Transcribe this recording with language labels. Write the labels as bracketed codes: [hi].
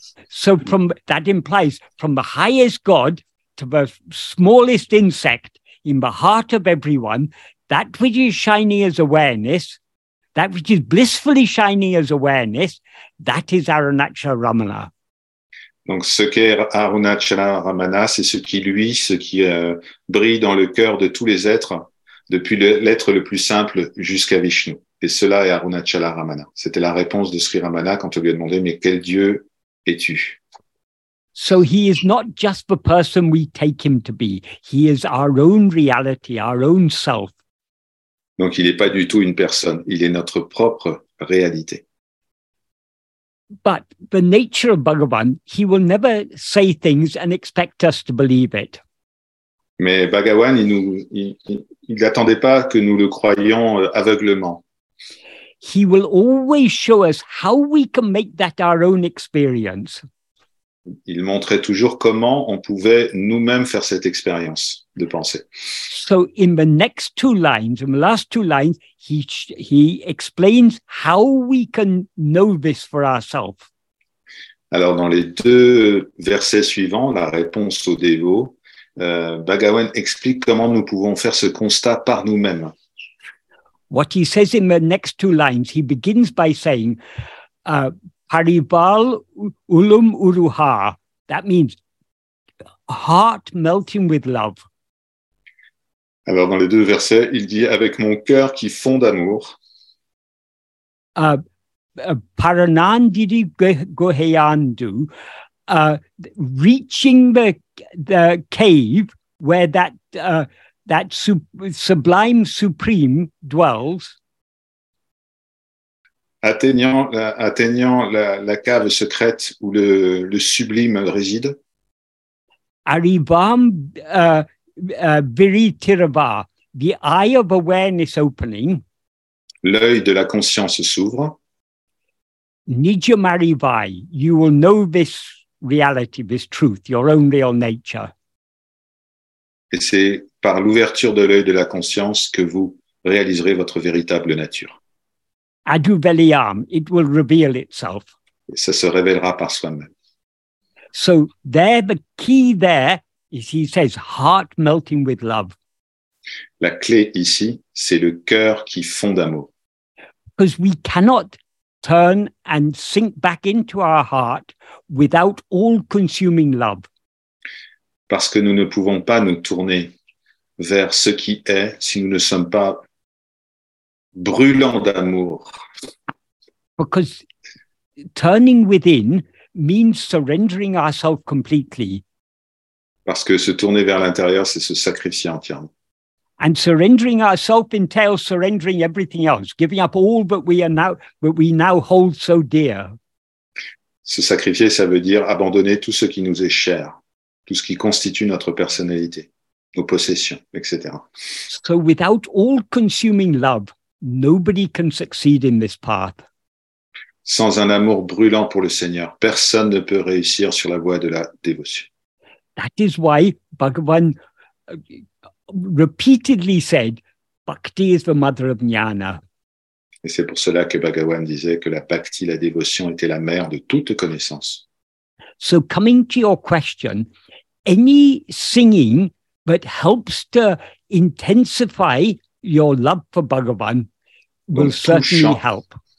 [en] So from that implies from the highest god to the smallest insect in the heart of everyone, that which is shining as awareness, that which is blissfully shining as awareness, that is Arunachala Ramana. [fr] Donc, ce qu'est Arunachala Ramana, c'est ce qui luit, ce qui brille dans le cœur de tous les êtres, depuis l'être le plus simple jusqu'à Vishnu. Et cela est Arunachala Ramana. C'était la réponse de Sri Ramana quand on lui a demandé, mais quel dieu es-tu? [en] So he is not just the person we take him to be. He is our own reality, our own self. [fr] Donc il n'est pas du tout une personne, il est notre propre réalité. [en] But the nature of Bhagavan, he will never say things and expect us to believe it. [fr] Mais Bhagavan, il n'attendait pas que nous le croyions aveuglément. [en] He will always show us how we can make that our own experience. [fr] Il montrait toujours comment on pouvait nous-mêmes faire cette expérience de pensée. [en] So in the next two lines, in the last two lines, he explains how we can know this for ourselves. [fr] Alors dans les deux versets suivants, la réponse au dévot, Bhagavan explique comment nous pouvons faire ce constat par nous-mêmes. [en] What he says in the next two lines, he begins by saying, [ta] Paribal ulum uruha. [en] That means heart melting with love. [fr] Alors dans les deux versets, il dit avec mon cœur qui fond d'amour. [ta] Paranandiri goheyandu, [en] reaching the cave where that sublime supreme dwells. [fr] Atteignant la cave secrète où le sublime réside. [ta] Arivam viritirava, [en] the eye of awareness opening. [fr] L'œil de la conscience s'ouvre. [ta] Nijam arivai, [en] you will know this reality, this truth, your own real nature. [fr] Et c'est par l'ouverture de l'œil de la conscience que vous réaliserez votre véritable nature. [ta] Aduvelyam, [en] it will reveal itself. [fr] Ça se révélera par soi-même. [en] So there, the key there is, he says, heart melting with love. [fr] La clé ici, c'est le cœur qui fond d'amour. [en] Because we cannot turn and sink back into our heart without all-consuming love. [fr] Parce que nous ne pouvons pas nous tourner vers ce qui est si nous ne sommes pas brûlant d'amour. [en] Because turning within means surrendering ourselves completely. [fr] Parce que se tourner vers l'intérieur, c'est se sacrifier entièrement. [en] And surrendering ourselves entails surrendering everything else, giving up all that we now hold so dear. [fr] Se sacrifier, ça veut dire abandonner tout ce qui nous est cher, tout ce qui constitue notre personnalité, nos possessions, etc. [en] So without all-consuming love, nobody can succeed in this path. [fr] Sans un amour brûlant pour le Seigneur, personne ne peut réussir sur la voie de la dévotion. [en] That is why Bhagavan repeatedly said, "Bhakti is the mother of jnana." [fr] Et c'est pour cela que Bhagavan disait que la bhakti, la dévotion, était la mère de toute connaissance. [en] So, coming to your question, any singing that helps to intensify your love for Bhagavan will certainly help.